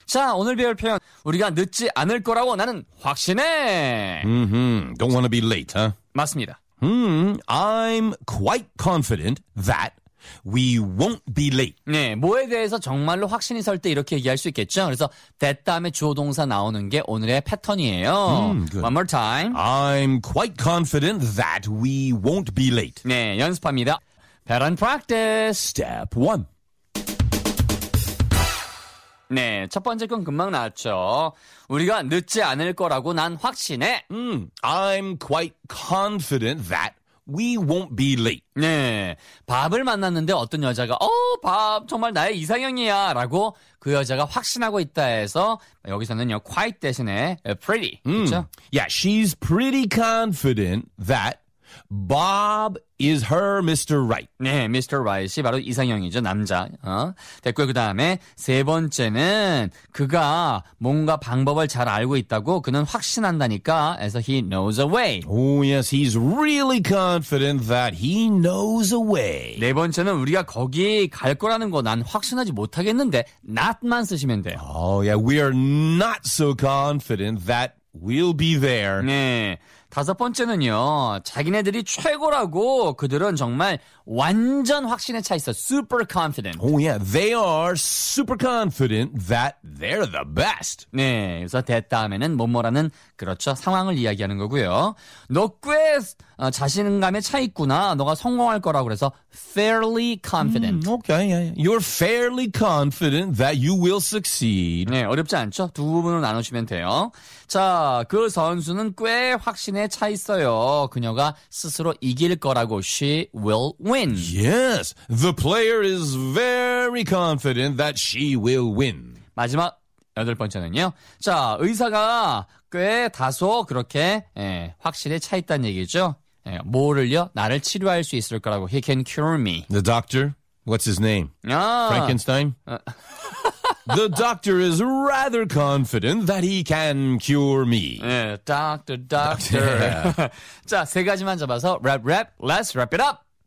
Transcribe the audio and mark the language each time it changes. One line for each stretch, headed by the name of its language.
Korean: 자, 오늘 배울 표현 우리가 늦지 않을 거라고 나는 확신해.
English: Don't want to be late, huh?
Korean: 맞습니다.
English: I'm quite confident that we won't be late.
Korean: 네, 뭐에 대해서 정말로 확신이 설 때 이렇게 얘기할 수 있겠죠. 그래서 that 다음에 주어 동사 나오는 게 오늘의 패턴이에요.
English: One more time. I'm quite confident that we won't be late.
Korean: 네, 연습합니다.
English: Pattern practice. Step 1.
Korean: 네, 첫 번째 건 금방 나왔죠. 우리가 늦지 않을 거라고 난 확신해.
English: I'm quite confident that we won't be late.
Korean: 네, 밥을 만났는데 어떤 여자가 밥 정말 나의 이상형이야 라고 그 여자가 확신하고 있다 해서 여기서는요, quite 대신에 pretty, 그렇죠?
English: Yeah, she's pretty confident that Bob is her Mr. Right.
Korean: 네, Mr. Right이 바로 이상형이죠, 남자. 됐고요. 그 다음에 세 번째는 그가 뭔가 방법을 잘 알고 있다고 그는 확신한다니까.
English: As he knows a way. Oh yes, he's really confident that he knows a way.
Korean: 네 번째는 우리가 거기 갈 거라는 거 난 확신하지 못하겠는데 not만 쓰시면 돼요.
English: Oh yeah, we are not so confident that we'll be there.
Korean: 네. 다섯 번째는요, 자기네들이 최고라고 그들은 정말 완전 확신에 차 있어.
English: Super confident. Oh yeah, they are super confident that they're the best.
Korean: 네, 그래서 됐다음에는 뭐뭐라는 그렇죠 상황을 이야기하는 거고요. 너 꽤 자신감에 차 있구나. 너가 성공할 거라고 그래서
English: fairly confident. Okay, you're fairly confident that you will succeed.
Korean: 네, 어렵지 않죠? 두 부분으로 나누시면 돼요. 자, 그 선수는 꽤 확신 차 있어요. 그녀가 스스로 이길 거라고.
English: She will win. Yes, the player is very confident that she will win.
Korean: 마지막 여덟 번째는요. 자, 의사가 꽤 다소 그렇게 확실히 차 있다는 얘기죠. 예, 뭐를요? 나를 치료할 수 있을 거라고.
English: He can cure me. The doctor? What's his name?
Korean: 아.
English: Frankenstein? The doctor is rather confident that he can cure me.
Korean: 네, doctor, doctor. 자, 세 가지만 잡아서 랩, 랩,
English: let's wrap it up.